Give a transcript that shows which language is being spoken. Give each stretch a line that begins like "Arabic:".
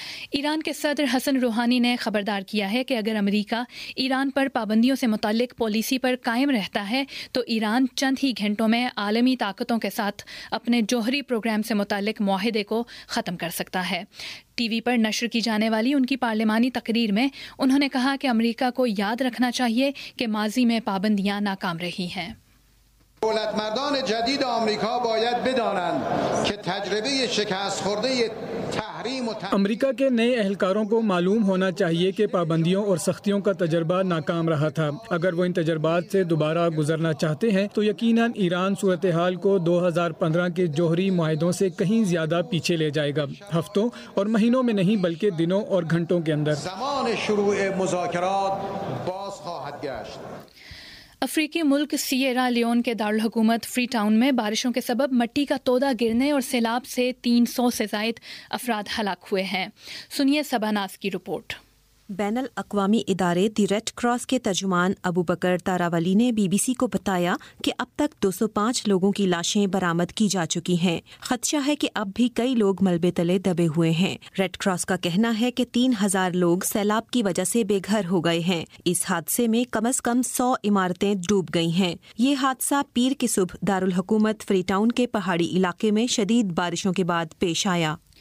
Urdu: ایران کے صدر حسن روحانی نے خبردار کیا ہے کہ اگر امریکہ ایران پر پابندیوں سے متعلق پالیسی پر قائم رہتا ہے تو ایران چند ہی گھنٹوں میں عالمی طاقتوں کے ساتھ اپنے جوہری پروگرام سے متعلق معاہدے کو ختم کر سکتا ہے۔ ٹی وی پر نشر کی جانے والی ان کی پارلیمانی تقریر میں انہوں نے کہا کہ امریکہ کو یاد رکھنا چاہیے کہ ماضی میں پابندیاں ناکام رہی ہیں۔
Persian: دولت مردان جدید آمریکا باید بدانند که تجربه شکست خورده تحریم و تحریم،
Urdu: امریکہ کے نئے اہلکاروں کو معلوم ہونا چاہیے کہ پابندیوں اور سختیوں کا تجربہ ناکام رہا تھا۔ اگر وہ ان تجربات سے دوبارہ گزرنا چاہتے ہیں تو یقیناً ایران صورتحال کو 2015 کے جوہری معاہدوں سے کہیں زیادہ پیچھے لے جائے گا، ہفتوں اور مہینوں میں نہیں بلکہ دنوں اور گھنٹوں کے اندر۔
Persian: زمان شروع مذاکرات باز خواهد گشت۔
Urdu: افریقی ملک سیئرا لیون کے دارالحکومت فری ٹاؤن میں بارشوں کے سبب مٹی کا تودہ گرنے اور سیلاب سے 300 سے زائد افراد ہلاک ہوئے ہیں، سنیے سبا ناز کی رپورٹ۔ بین الاقوامی ادارے دی ریڈ کراس کے ترجمان ابوبکر تاراولی نے بی بی سی کو بتایا کہ اب تک 205 لوگوں کی لاشیں برآمد کی جا چکی ہیں۔ خدشہ ہے کہ اب بھی کئی لوگ ملبے تلے دبے ہوئے ہیں۔ ریڈ کراس کا کہنا ہے کہ 3000 لوگ سیلاب کی وجہ سے بے گھر ہو گئے ہیں۔ اس حادثے میں کم از کم 100 عمارتیں ڈوب گئی ہیں۔ یہ حادثہ پیر کے صبح دارالحکومت فری ٹاؤن کے پہاڑی علاقے میں شدید بارشوں کے بعد پیش آیا۔